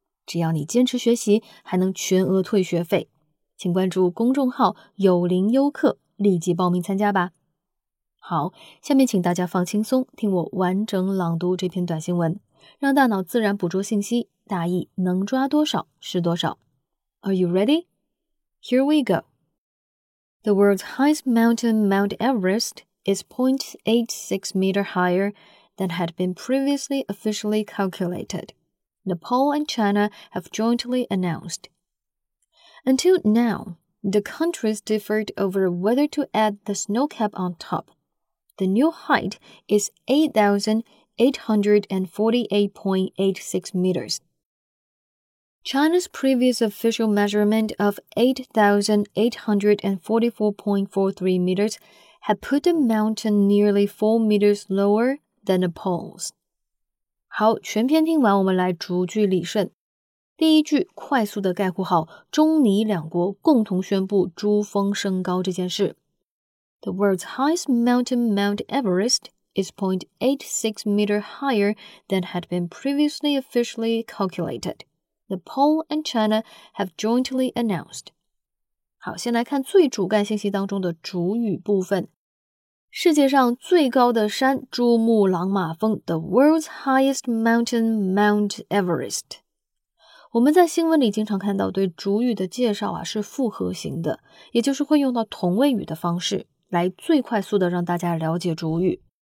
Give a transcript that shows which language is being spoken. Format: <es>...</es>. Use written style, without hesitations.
<zh>只要你坚持学习，还能全额退学费。请关注公众号有灵优课，立即报名参加吧。好，下面请大家放轻松，听我完整朗读这篇短新闻，让大脑自然捕捉信息，大意能抓多少是多少。</zh> <en>Are you ready? Here we go. The world's highest mountain, Mount Everest, is 0.86 meter higher than had been previously officially calculated. Nepal and China have jointly announced. Until now, the countries differed over whether to add the snow cap on top. The new height is 8,848.86 meters. China's previous official measurement of 8,844.43 meters had put the mountain nearly 4 meters lower than Nepal's.</en> <zh>好，全篇听完，我们来逐句理顺。第一句快速地概括好中尼两国共同宣布珠峰升高这件事。</zh> <en>The world's highest mountain, Mount Everest, is 0.86 meter higher than had been previously officially calculated. Nepal and China have jointly announced.</en> <zh>好，先来看最主干信息当中的主语部分。世界上最高的山珠穆朗玛峰</zh> <en>The world's highest mountain, Mount Everest.</en> <zh>我们在新闻里经常看到对主语的介绍啊是复合型的，也就是会用到同位语的方式来最快速的让大家了解主语。</zh>